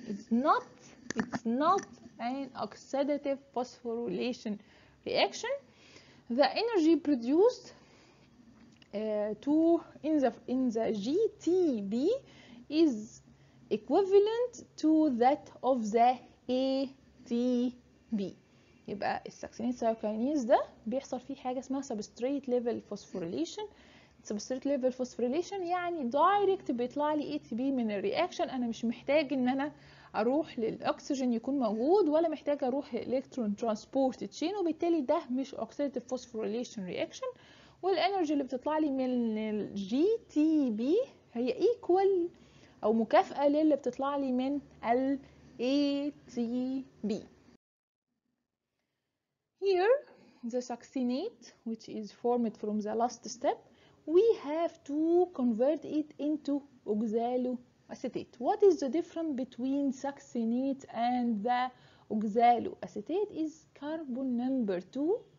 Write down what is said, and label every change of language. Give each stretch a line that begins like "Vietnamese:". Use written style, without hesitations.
English: It's not an oxidative phosphorylation reaction. The energy produced in the GTB is equivalent to that of the ATB.
Arabic: يبقى الساكسينيت سايكلينيز ده بيحصل فيه حاجة اسمها substrate level phosphorylation. substrate level phosphorylation يعني direct بيطلع لي ATP من الرياكشن، انا مش محتاج ان انا اروح للأكسجين يكون موجود ولا محتاج اروح electron transport chain، وبالتالي ده مش oxidative phosphorylation reaction. والانرجي اللي بتطلع لي من الGTP هي equal او مكافأة للي بتطلع لي من الATP.
English: Here, the succinate, which is formed from the last step, we have to convert it into oxaloacetate. What is the difference between succinate and the oxaloacetate is carbon number 2.